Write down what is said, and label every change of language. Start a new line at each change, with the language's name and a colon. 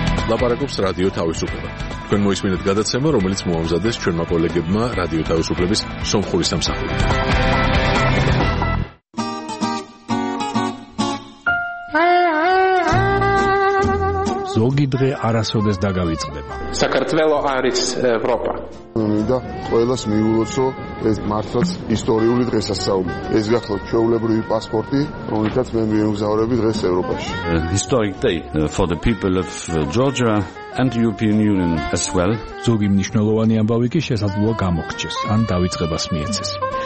Armenian: Լաբարակոպս
Georgian: ռադիո თავისუფლება. Თქვენ მოისმინეთ გადაცემა, რომელიც მოამზადეს ჩვენმა კოლეგებმა რადიო თავისუფლების სომხური სამსახური. ზოგი დღე არასოდეს დაგავიწყდება. საქართველო არის ევროპა. მინდა ყოველას მიულოცო ეს მართლაც ისტორიული დღესასწაული. ეს გახლავთ ჩვეულებრივი პასპორტი, რომელიც მე მიემგზავრები დღეს ევროპაში.
English: Historic day for the people of Georgia and European Union as well.
Georgian: ზოგი მნიშვნელოვანი ამბავი კი შესაძლოა გამოგჩეს ან დაიწყებას მიეცეს.